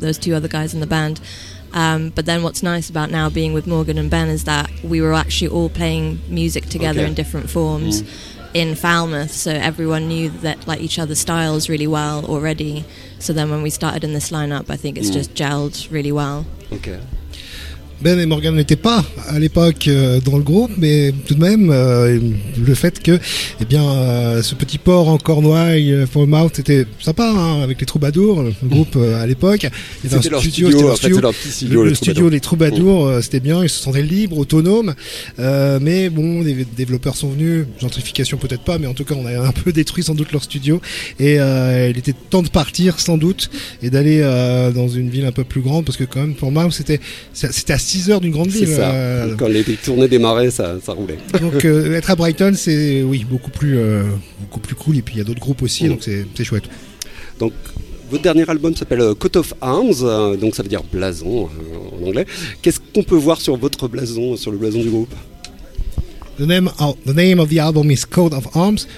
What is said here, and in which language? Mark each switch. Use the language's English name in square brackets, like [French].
[English] There was two other guys in the band. But then what's nice about now being with Morgan and Ben is that we were actually all playing music together in different forms in Falmouth, so everyone knew that, like, each other's styles really well already. So then when we started in this lineup, I think it's just gelled really well. Okay. [French] Ben et Morgan n'étaient pas à l'époque dans le groupe, mais tout de même, le fait que, eh bien, ce petit port en Cornouailles, Falmouth, c'était sympa, hein, avec les Troubadours, le groupe à l'époque. C'était leur studio, en fait, c'était leur petit studio. Le studio, les Troubadours, c'était bien, ils se sentaient libres, autonomes. Mais bon, les développeurs sont venus, gentrification peut-être pas, mais en tout cas, on a un peu détruit sans doute leur studio. Et il était temps de partir, sans doute, et d'aller dans une ville un peu plus grande, parce que quand même, Falmouth, c'était à 6 heures d'une grande ville. C'est ça. Quand les tournées démarraient, ça roulait. Donc être à Brighton, c'est beaucoup plus cool. Et puis il y a d'autres groupes aussi, donc c'est chouette. Donc votre dernier album s'appelle Coat of Arms, donc ça veut dire blason en anglais. Qu'est-ce qu'on peut voir sur votre blason, sur le blason du groupe? [English] The name of the album is Coat of Arms.